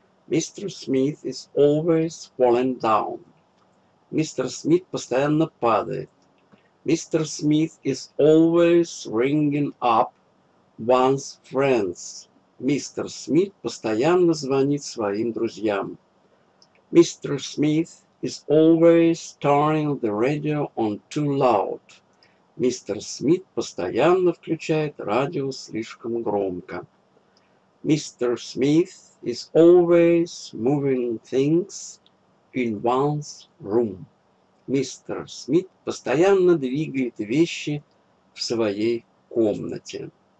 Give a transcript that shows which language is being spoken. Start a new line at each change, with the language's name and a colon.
English: Mr. Smith is always falling down.
Russian: Мистер Смит постоянно падает.
English: Mr. Smith is always ringing up one's friends.
Russian: Мистер Смит постоянно звонит своим друзьям.
English: Mr. Smith is always turning the radio on too loud.
Russian: Мистер Смит постоянно включает радио слишком громко.
English: Mr. Smith is always moving things in one's room.
Russian: Мистер Смит постоянно двигает вещи в своей комнате.